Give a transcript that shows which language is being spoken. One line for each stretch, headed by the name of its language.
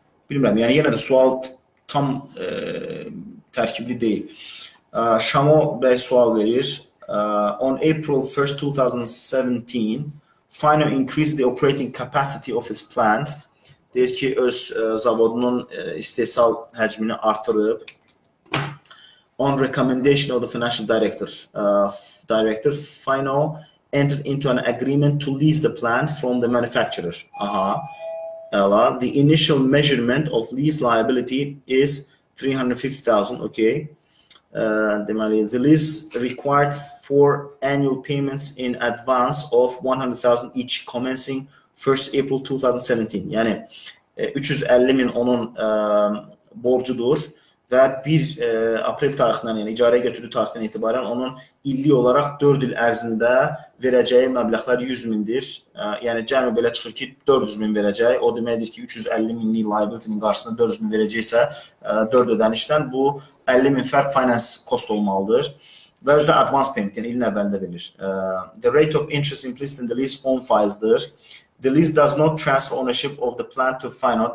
Azerbaijani: Bilmirəm, yəni yenə də sual tam tərkibli deyil. Şamo bəy sual verir.
English: On April 1st, 2017, Finer increased the operating capacity of its plant.
Azerbaijani: Deyir ki, öz zavodunun istehsal həcmini artırıb.
English: On recommendation of the financial director, director Fino entered into an agreement to lease the plant from the manufacturer. The initial measurement of lease liability is 350,000. Okay.
Azerbaijani: Demali,
English: the lease required four annual payments in advance of 100,000 each, commencing 1st April 2017.
Azerbaijani: Yani 350 min onun borcudur. Və 1 aprel tarixindən, yəni icarəyə götürdüyü tarixdən etibarən onun illi olaraq 4 il ərzində verəcəyi məbləğlər 100 mindir. Yəni cəmi belə çıxır ki, 400 min verəcək. O deməkdir ki, 350 minlik liability-nin qarşısında 400 min verəcəksə, 4 ödənişdən bu 50 min fərq finance cost olmalıdır. Və özü də advance payment, yəni ilin əvvəlində verir.
English: The rate of interest implicit in the lease on files-dır. The lease does not transfer ownership of the plant to Fino.